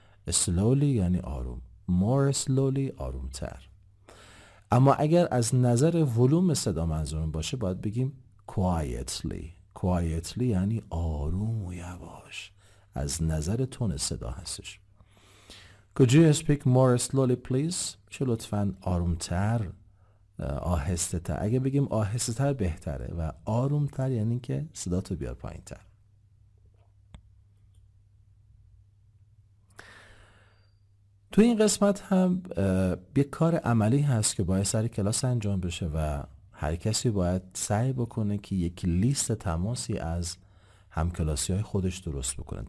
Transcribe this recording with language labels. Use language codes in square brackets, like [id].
[fa] slowly یعنی آروم، [en] more slowly [fa] آرومتر. اما اگر از نظر ولوم صدا منظور باشه باید بگیم quietly. quietly یعنی آروم و یواش، از نظر تون صدا هستش. [en] Could you speak more slowly please؟ [fa] میشه لطفاً آرومتر، آهسته تر. اگه بگیم آهسته تر بهتره و آرومتر یعنی که صداتو بیار پایین تر. تو این قسمت هم یه کار عملی هست که باید سر کلاس انجام بشه و هر کسی باید سعی بکنه که یک لیست تماسی از هم کلاسی های خودش درست بکنن.